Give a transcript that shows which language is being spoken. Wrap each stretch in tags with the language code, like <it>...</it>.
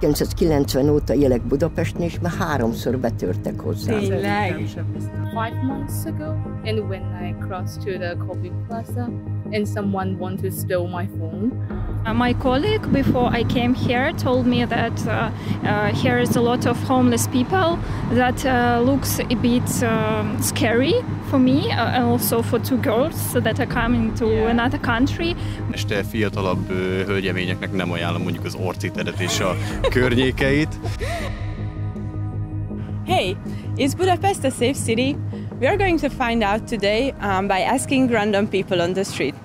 <hu>1990 óta élek Budapesten, és már háromszor betörtek hozzám. Tényleg?</hu> <en>5 months ago, and when I crossed to the coffee plaza, and someone wanted to steal my phone. My colleague, before I came here, told me that here is a lot of homeless people. That looks a bit scary for me, and also for two girls that are coming to another country.</en> <hu>Este fiatalabb hölgyeményeknek nem ajánlom mondjuk az orciteret és a környékeit.</hu> <en>Hey, is Budapest a safe city? We are going to find out today by asking random people on the street.</en>